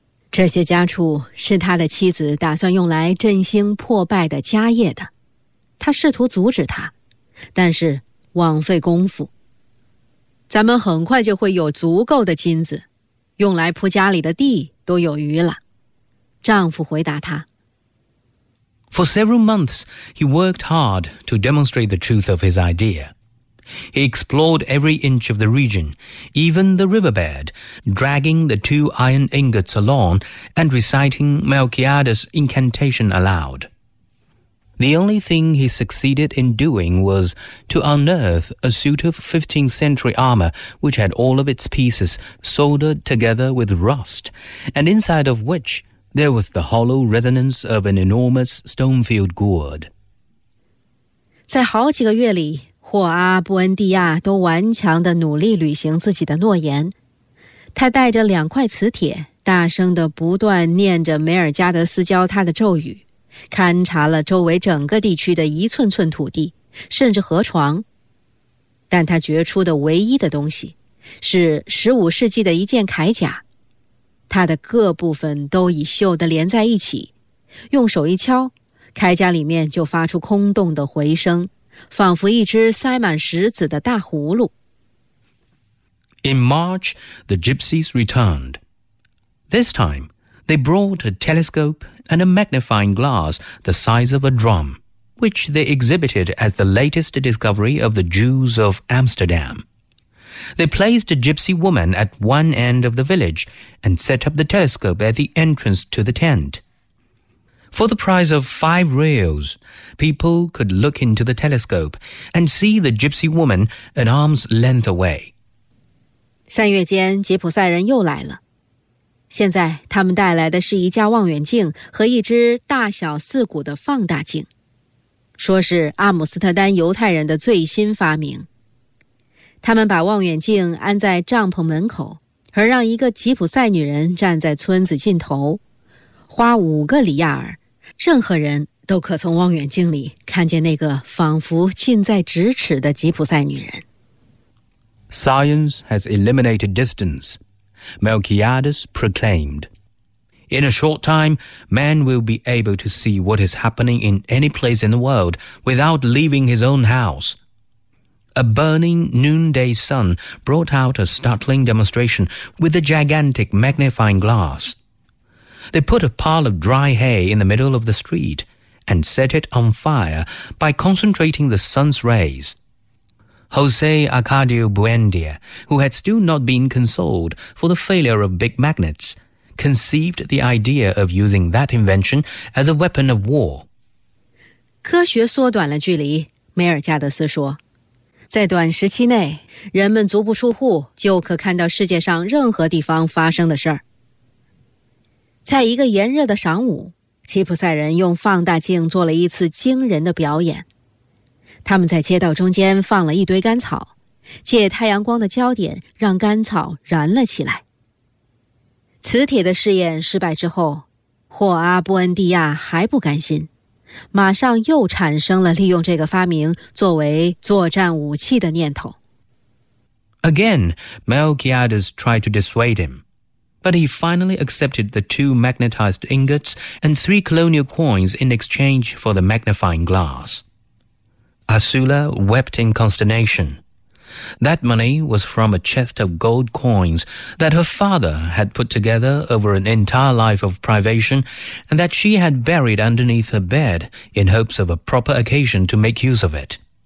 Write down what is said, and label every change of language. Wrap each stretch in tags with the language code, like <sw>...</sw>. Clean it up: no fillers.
<zh>这些家畜是他的妻子打算用来振兴破败的家业的，他试图阻止他，但是枉费功夫。咱们很快就会有足够的金子，用来铺家里的地都有余了。丈夫回答他。</zh> <en>For several months, he worked hard to demonstrate the truth of his idea. He explored every inch of the region, even the riverbed, dragging the two iron ingots along and reciting Melchiades' incantation aloud. The only thing he succeeded in doing was to unearth a suit of 15th century armor which had all of its pieces soldered together with rust, and inside of which there was the hollow resonance of an enormous stone-filled gourd.</en> <zh>在好几个月里，霍阿布恩蒂亚都顽强地努力履行自己的诺言。他带着两块磁铁，大声地不断念着梅尔加德斯教他的咒语。勘察了周围整个地区的一寸寸土地，甚至河床，但他掘出的唯一的东西是15世纪的一件铠甲，它的各部分都已锈得连在一起，用手一敲，铠甲里面就发出空洞的回声，仿佛一只塞满石子的大葫芦。</zh> <en>In March, the gypsies returned. This time, they brought a telescopeand a magnifying glass the size of a drum, which they exhibited as the latest discovery of the Jews of Amsterdam. They placed a gypsy woman at one end of the village and set up the telescope at the entrance to the tent. For the price of 5 reals, people could look into the telescope and see the gypsy woman an arm's length away.</en> <zh>三月间，吉普赛人又来了。现在他们带来的是一架望远镜和一只大小四股的放大镜，说是阿姆斯特丹犹太人的最新发明。他们把望远镜安在帐篷门口，而让一个吉普赛女人站在村子尽头，花五个里亚尔，任何人都可从望远镜里看见那个仿佛近在咫尺的吉普赛女人。</zh> <en>Science has eliminated distance, Melchiades proclaimed. In a short time, man will be able to see what is happening in any place in the world without leaving his own house. A burning noonday sun brought out a startling demonstration with a gigantic magnifying glass. They put a pile of dry hay in the middle of the street and set it on fire by concentrating the sun's rays. José Arcadio Buendía, who had still not been consoled for the failure of big magnets, conceived the idea of using that invention as a weapon of war.</en> <zh>科学缩短了距离，梅尔加德斯说。在短时期内，人们足不出户就可看到世界上任何地方发生的事儿。在一个炎热的晌午，吉普赛人用放大镜做了一次惊人的表演。他们在街道中间放了一堆干草，借太阳光的焦点让干草燃了起来。磁铁的试验失败之后，霍阿布恩蒂亚还不甘心。马上又产生了利用这个发明作为作战武器的念头。</zh> <en>Again, Melchiades tried to dissuade him, but he finally accepted the two magnetized ingots and three colonial coins in exchange for the magnifying glass. Asula wept in consternation. That money was from a chest of gold coins that her father had put together over an entire life of privation and that she had buried underneath her bed in hopes of a proper occasion to make use of it.</en>